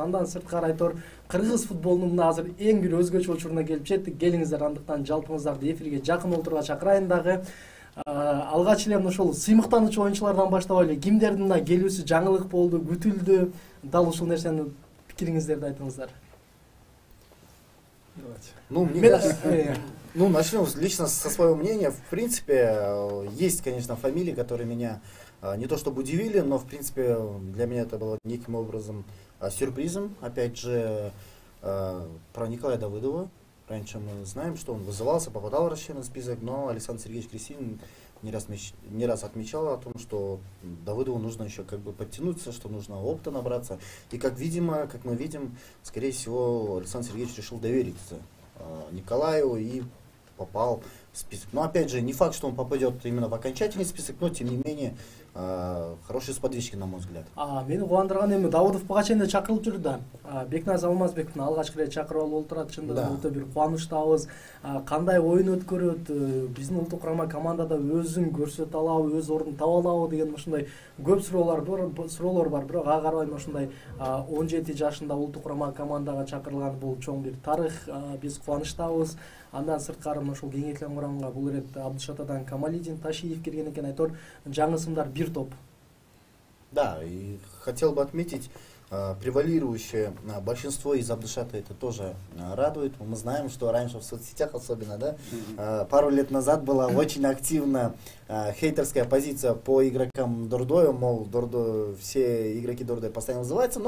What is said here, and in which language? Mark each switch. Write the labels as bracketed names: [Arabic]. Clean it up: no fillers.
[Kyrgyz] Андан сырткары айтор, кыргыз футболунун мына азыр эң бир өзгөчө учуруна келип жеттик. Келиңиздер, андыктан жалпыңыздарды эфирге жакын отурууга чакырайын дагы. Алгач эле ошол сыймыктануучу оюнчулардан баштап эле, кимдердин да келүүсү жаңылык болду, күтүлдү, дал ушул нерсени пикириңиздерди айтыңыздар. [Russian] Ну, начнем лично со своего мнения. В принципе, есть, конечно, фамилии, которые меня не то чтобы удивили, но, в принципе, для меня это было неким образом сюрпризом. Опять же, про Николая Давыдова. Раньше мы знаем, что он вызывался, попадал в расширенный список, но Александр Сергеевич Кресин не раз отмечал о том, что Давыдову нужно еще как бы подтянуться, что нужно опыта набраться. И как мы видим, скорее всего, Александр Сергеевич решил довериться Николаю и попал в список. Но опять же, не факт, что он попадет именно в окончательный список, но тем не менее, хорошие сподвижки, на мой взгляд. [Kyrgyz] Мен кубандырган эми Давыдов Пугачевне чакырылып жүрдү да. Бекназ Алмазбековду алгачкы эле чакырып алып отурат. Чындыгында өтө бир кубанычтабыз. Кандай оюн өткөрөт, биздин улуттук курама командада өзүн көрсөтө алабы, өз ордун таба алабы деген ушундай көп суроолор бар. Бирок ага карабай ушундай 17 жашында улуттук курама командага чакырылган бул чоң бир тарых. Биз кубанычтабыз. Андан сырткары ушул кеңейтилген курамга бул ирет Абдышат атадан Камалидин Ташиев келген экен. Айтор, жаңы сындар бир топ. [Russian] Да, и хотел бы отметить, превалирующее большинство из Абдышата это тоже радует. Мы знаем, что раньше в соцсетях особенно, да, пару лет назад была очень активна хейтерская позиция по игрокам Дордоя, мол, все игроки Дордоя постоянно вызываются.